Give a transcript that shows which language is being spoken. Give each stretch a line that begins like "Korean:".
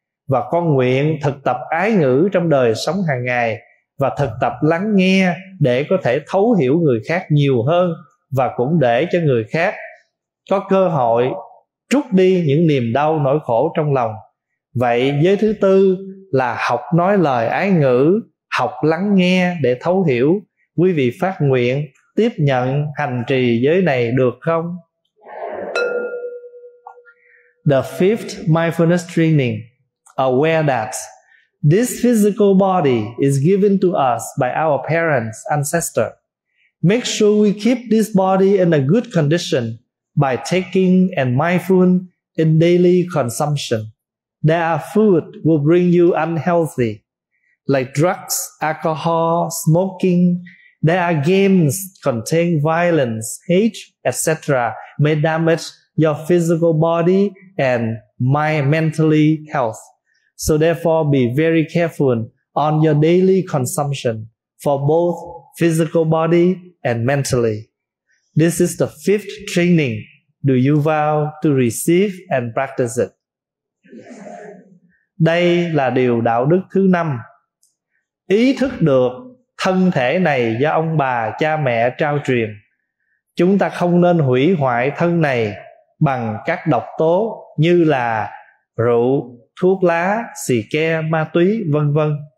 Vietnamese: Và con nguyện thực tập ái ngữ trong đời sống hàng ngày và thực tập lắng nghe để có thể thấu hiểu người khác nhiều hơn và cũng để cho người khác có cơ hội trút đi những niềm đau nỗi khổ trong lòng. Vậy giới thứ tư là học nói lời ái ngữ, học lắng nghe để thấu hiểu. Quý vị phát nguyện tiếp nhận hành trì giới này được không?
English: The fifth mindfulness training. Aware that this physical body is given to us by our parents, ancestor. Make sure we keep this body in a good condition by taking and mindful in daily consumption. There are food will bring you unhealthy, like drugs, alcohol, smoking, There are games contain violence, hate, etc. may damage your physical body and my mentally health. So therefore, be very careful on your daily consumption for both physical body and mentally. This is the fifth training. Do you vow to receive and practice it?
Vietnamese: Đây là điều đạo đức thứ năm. Ý thức được thân thể này do ông bà cha mẹ trao truyền. Chúng ta không nên hủy hoại thân này bằng các độc tố như là rượu, thuốc lá, xì ke, ma túy, vân vân.